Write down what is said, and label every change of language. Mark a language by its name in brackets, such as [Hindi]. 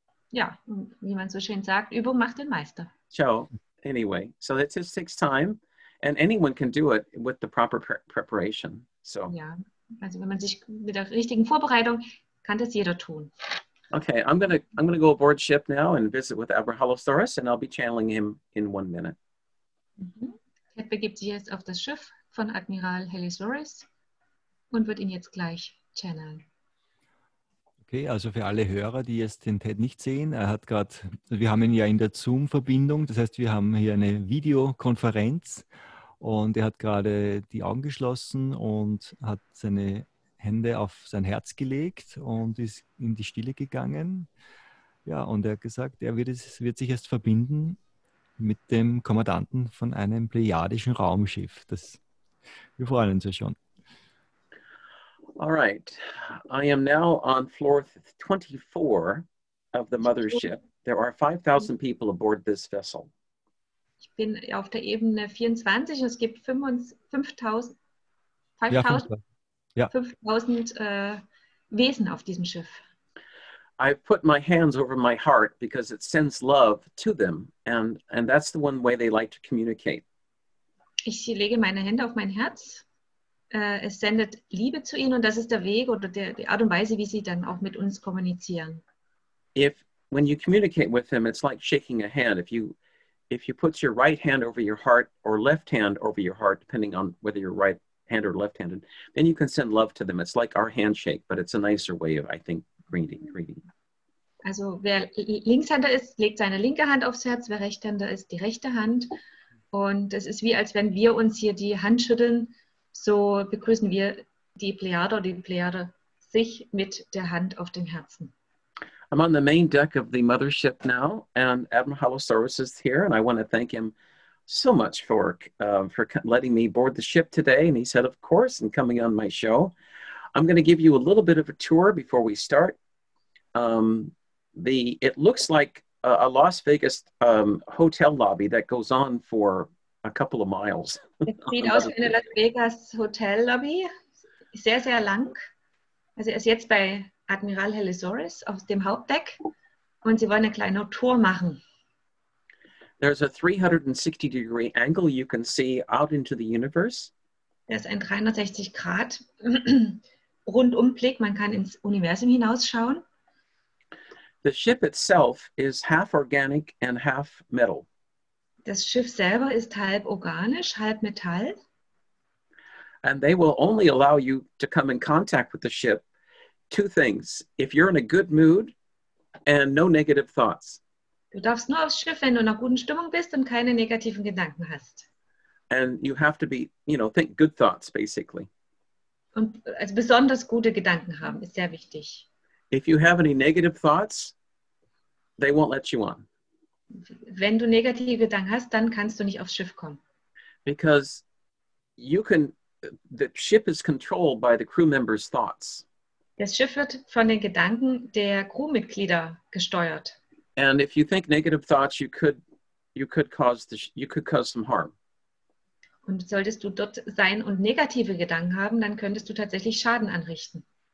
[German] Ja, wie man so schön sagt, Übung macht den Meister. [English] So, anyway, so it just takes time, and anyone can do it with the proper preparation. So. [German] Ja, also wenn man sich mit der richtigen Vorbereitung, kann das jeder tun. [English] Okay, I'm gonna go aboard ship now and visit with Abrahalosaurus, and I'll be channeling him in 1 minute. [German] Ted begibt sich jetzt auf das Schiff von Admiral Helisaurus und wird ihn jetzt gleich channeln. Okay, also für alle Hörer, die jetzt den Ted nicht sehen, er hat gerade, wir haben ihn ja in der Zoom-Verbindung, das heißt, wir haben hier eine Videokonferenz und er hat gerade die Augen geschlossen und hat seine Hände auf sein Herz gelegt und ist in die Stille gegangen. Ja, und er hat gesagt, er wird sich erst verbinden mit dem Kommandanten von einem plejadischen Raumschiff. Wir freuen uns ja schon. [English] All right. I am now on floor 24 of the Mothership. There are 5,000 people aboard this vessel. [German] Ich bin auf der Ebene 24. Es gibt 5,000 Wesen auf diesem Schiff. [English] I put my hands over my heart because it sends love to them, and that's the one way they like to communicate. [German] Ich lege meine Hände auf mein Herz. Es sendet Liebe zu ihnen, und das ist der Weg oder die Art und Weise, wie sie dann auch mit uns kommunizieren. [English] When you communicate with them, it's like shaking a hand. If you put your right hand over your heart or left hand over your heart, depending on whether you're right hand or left-handed, then you can send love to them. It's like our handshake, but it's a nicer way of, I think, greeting. [German] Also, wer Linkshänder ist, legt seine linke Hand aufs Herz, wer Rechtshänder ist, die rechte Hand. Und es ist wie, als wenn wir uns hier die Hand schütteln, so begrüßen wir die Plejade oder die Plejade sich mit der Hand auf dem Herzen. [English] I'm on the main deck of the Mothership now, and Admiralosaurus is here, and I want to thank him so much for letting me board the ship today. And he said, of course, and coming on my show. I'm going to give you a little bit of a tour before we start. It looks like a Las Vegas hotel lobby that goes on for a couple of miles. [German] It sieht aus wie eine Las Vegas Hotel Lobby. Sehr, sehr lang. Also ist jetzt bei Admiral Helisoris auf dem Hauptdeck und sie wollen eine kleine Tour machen. [English] There's a 360-degree angle you can see out into the universe. [German] Das ist ein 360-Grad Rundumblick. Man kann ins Universum hinausschauen. [English] The ship itself is half organic and half metal. [German] Das Schiff selber ist halb organisch, halb Metall. [English] And they will only allow you to come in contact with the ship two things. If you're in a good mood and no negative thoughts. [German] Du darfst nur aufs Schiff, wenn du in einer guten Stimmung bist und keine negativen Gedanken hast. [English] And you have to be, you know, think good thoughts, basically. [German] Und also besonders gute Gedanken haben ist sehr wichtig. [English] If you have any negative thoughts, they won't let you on. [German] Wenn du negative Gedanken hast, dann kannst du nicht aufs Schiff kommen. [English] Because you can, the ship is controlled by the crew members' thoughts. [German] Das Schiff wird von den Gedanken der Crewmitglieder gesteuert. [English] And if you think negative thoughts, you could cause some harm. [German] Und solltest du dort sein und negative Gedanken haben, dann könntest du tatsächlich Schaden anrichten.